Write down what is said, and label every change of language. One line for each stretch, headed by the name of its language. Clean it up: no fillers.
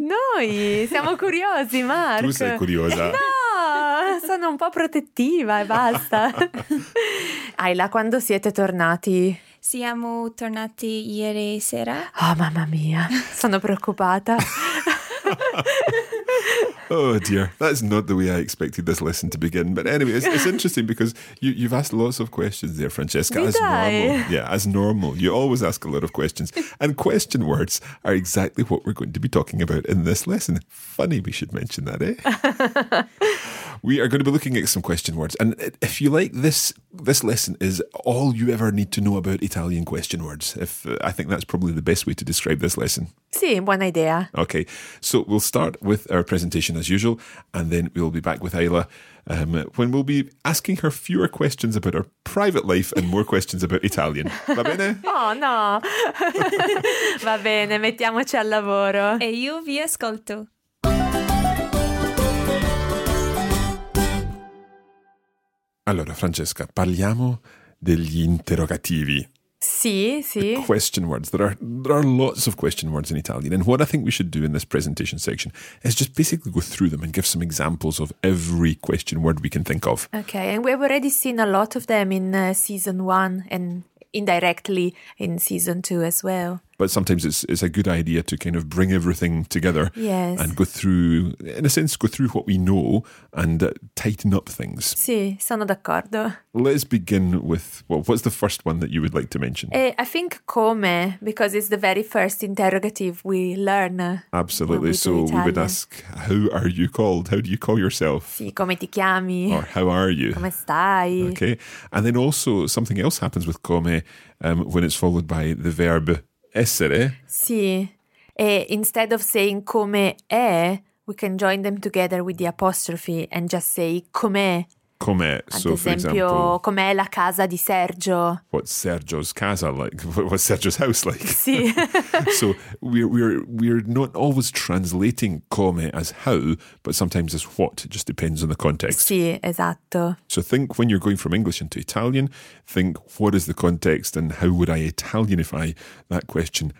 Italian: Noi siamo curiosi, Mark. Tu sei curiosa. No, sono un po' protettiva e basta. Ayla, quando siete tornati? Siamo tornati ieri sera. Oh, mamma mia, sono preoccupata.
English: Oh dear, that's not the way I expected this lesson to begin. But anyway, it's interesting because you've asked lots of questions there, Francesca. Did as I? Normal. Yeah, as normal. You always ask a lot of questions. And question words are exactly what we're going to be talking about in this lesson. Funny we should mention that, eh? We are going to be looking at some question words. And if you like, this lesson is all you ever need to know about Italian question words. I think that's probably the best way to describe this lesson.
Italian: Sì, buona idea.
English: Okay, so we'll start with our presentation as usual, and then we'll be back with Ayla when we'll be asking her fewer questions about her private life and more questions about Italian.
Italian: Va bene?
English: Oh no!
Italian: Va bene, mettiamoci al lavoro. E io vi ascolto. Allora, Francesca, parliamo degli interrogativi. Sì, sì.
English: The question words. There are lots of question words in Italian. And what I think we should do in this presentation section is just basically go through them and give some examples of every question word we can think of. Okay, and we've already seen a lot of them in season one and indirectly in season two as well. But sometimes it's a good idea to kind of bring everything together. Yes. And go through, in a sense, go through what we know and tighten up things.
Italian: Sì, sono d'accordo.
English: Let's begin with, what's the first one that you would like to mention? I think come, because it's the very first interrogative we learn. Absolutely. So we would ask, how are you called? How do you call yourself?
Italian: Sì, come ti chiami?
English: Or how are you?
Italian: Come stai?
English: Okay. And then also something else happens with come when it's followed by the verb essere. Sì. E instead of saying come è, we can join them together with the apostrophe and just say com'è.
Italian: Com'è. So, ad esempio, com'è la casa di Sergio.
English: What's Sergio's casa like? What's Sergio's house like?
Italian: Sì.
English: So we're not always translating come as how, but sometimes as what. It just depends on the context.
Italian: Sì, esatto.
English: So think when you're going from English into Italian, think what is the context and how would I Italianify that question?